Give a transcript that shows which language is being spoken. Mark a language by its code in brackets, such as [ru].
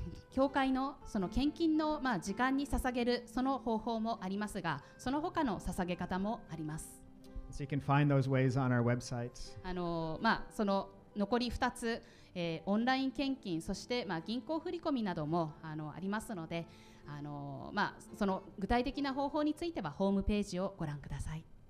[ja] 教会のその献金の時間に捧げるその方法もありますが、その他の捧げ方もあります。 [en] So you can find those ways on our website. [ja] その残り2つ。オンライン献金、そして銀行振込などもありますので、その具体的な方法についてはホームページをご覧ください。